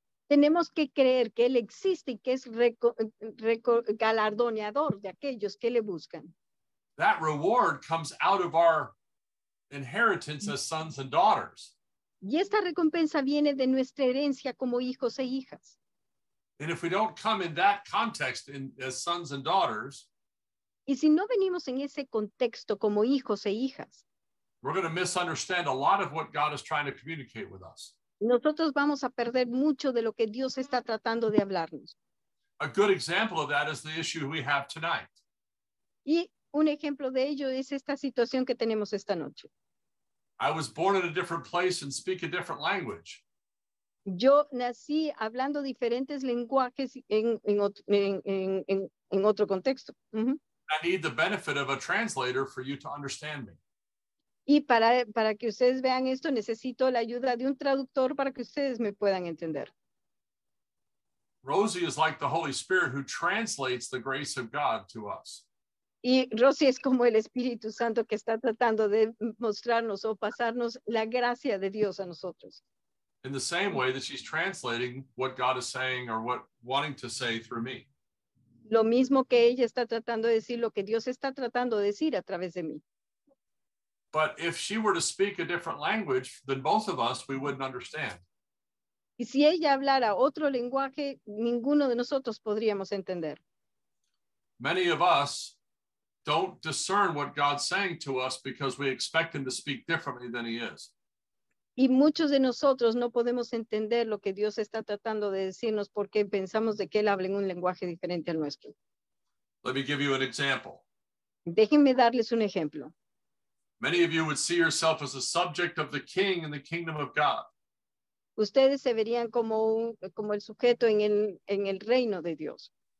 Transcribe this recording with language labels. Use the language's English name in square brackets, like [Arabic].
[Spanish] Tenemos que creer que él existe y que es galardoneador de aquellos que le buscan. [English] That reward comes out of our inheritance as sons and daughters. [Spanish] Y esta recompensa viene de nuestra herencia como hijos e hijas. [English] And if we don't come in that context in, as sons and daughters, [Spanish] y si no venimos en ese contexto como hijos e hijas, [English] we're going to misunderstand a lot of what God is trying to communicate with us. [Spanish] Nosotros vamos a perder mucho de lo que Dios está tratando de hablarnos. [English] A good example of that is the issue we have tonight. [Spanish] Y un ejemplo de ello es esta situación que tenemos esta noche. [English] I was born in a different place and speak a different language. [Spanish] Yo nací hablando diferentes lenguajes en otro contexto. [English] I need the benefit of a translator for you to understand me. [Spanish] Y para que ustedes vean esto, necesito la ayuda de un traductor para que ustedes me puedan entender. [English] Rosie is like the Holy Spirit who translates the grace of God to us. [Spanish] Y Rosie es como el Espíritu Santo que está tratando de mostrarnos o pasarnos la gracia de Dios a nosotros. [English] In the same way that she's translating what God is saying or what wanting to say through me. [Spanish] Lo mismo que ella está tratando de decir, lo que Dios está tratando de decir a través de mí. [English] But if she were to speak a different language than both of us, we wouldn't understand. [Spanish] Y si ella hablara otro lenguaje, ninguno de nosotros podríamos entender. [English] Many of us don't discern what God's saying to us because we expect him to speak differently than he is. [Spanish] Y muchos de nosotros no podemos entender lo que Dios está tratando de decirnos porque pensamos de que él habla en un lenguaje diferente al nuestro. [English] Let me give you an example. [Spanish] Déjenme darles un ejemplo. [English] Many of you would see yourself as a subject of the king in the kingdom of God. [Spanish] Ustedes se verían como el sujeto en el reino de Dios.